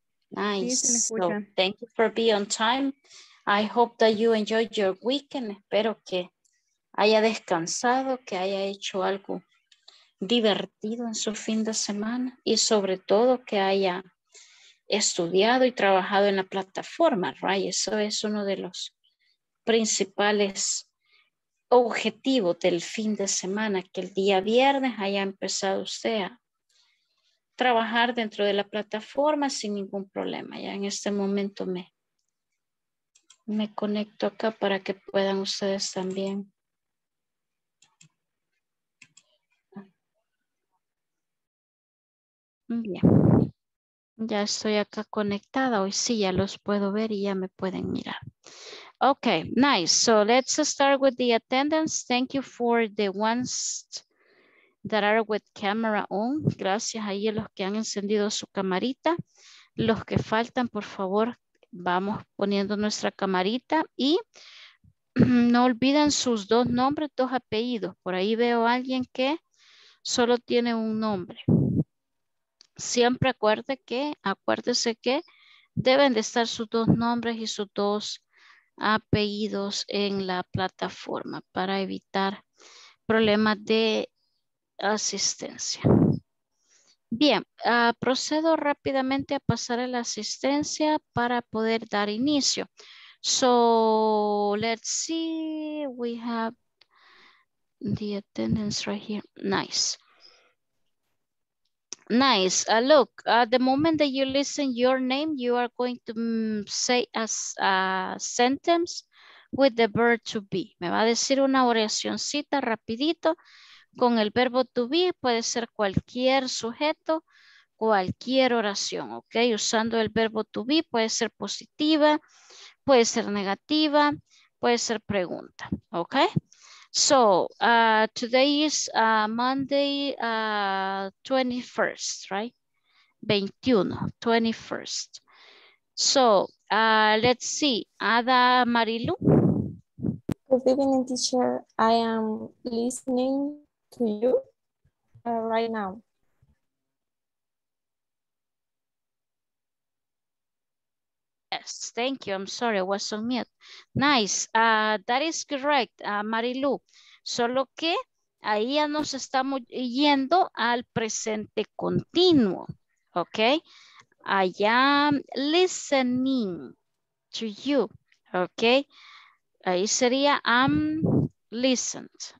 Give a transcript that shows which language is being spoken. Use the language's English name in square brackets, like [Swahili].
[English] Nice, sí, so, thank you for being on time. I hope that you enjoyed your weekend. [Spanish] Espero que haya descansado, que haya hecho algo divertido en su fin de semana y sobre todo que haya estudiado y trabajado en la plataforma, right? Eso es uno de los principales objetivos del fin de semana, que el día viernes haya empezado usted a trabajar dentro de la plataforma sin ningún problema. Ya en este momento me conecto acá para que puedan ustedes también. Bien, ya estoy acá conectada. Hoy sí, ya los puedo ver y ya me pueden mirar. [English] Okay, nice. So let's start with the attendance. Thank you for the ones that are with camera on. [Spanish] Gracias ahí a los que han encendido su camarita. Los que faltan, por favor, vamos poniendo nuestra camarita. Y no olviden sus dos nombres, dos apellidos. Por ahí veo a alguien que solo tiene un nombre. Siempre acuérdese que deben de estar sus dos nombres y sus dos apellidos en la plataforma para evitar problemas de asistencia. Bien, procedo rápidamente a pasar a la asistencia para poder dar inicio. [English] So, let's see, we have the attendance right here. Nice. Look, at the moment that you listen your name, you are going to say a sentence with the verb to be. [Spanish] Me va a decir una oracioncita rapidito con el verbo to be. Puede ser cualquier sujeto, cualquier oración, ¿ok? Usando el verbo to be, puede ser positiva, puede ser negativa, puede ser pregunta, ¿ok? [English] So, today is Monday 21st, right? 21, 21st. So, let's see, Ada Marilu. Good evening, teacher. I am listening to you right now. Yes, thank you. I'm sorry, I was on mute. Nice. That is correct, Marilu. [Spanish] Solo que ahí ya nos estamos yendo al presente continuo. [English] Ok. I am listening to you. Ok. [Spanish] Ahí sería [English] I'm listened.